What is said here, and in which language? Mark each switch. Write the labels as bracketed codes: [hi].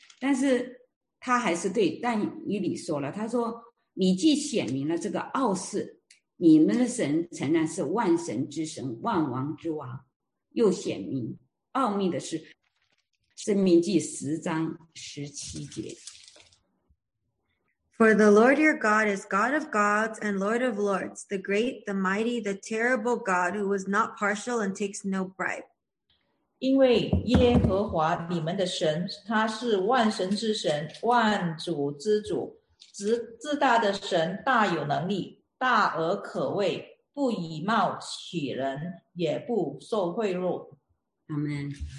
[zh] 但是他还是对但以理说了，他说你既显明了这个傲视，你们的神诚然是万神之神，万王之王，又显明奥秘的是。申命记10:17。 [en] For the Lord your God is God of gods and Lord of lords, the great, the mighty, the terrible God who is not partial and takes no bribe. [zh] 因为耶和华你们的神，他是万神之神，万主之主，自大的神，大有能力，大而可畏，不以貌取人，也不受贿赂。阿们。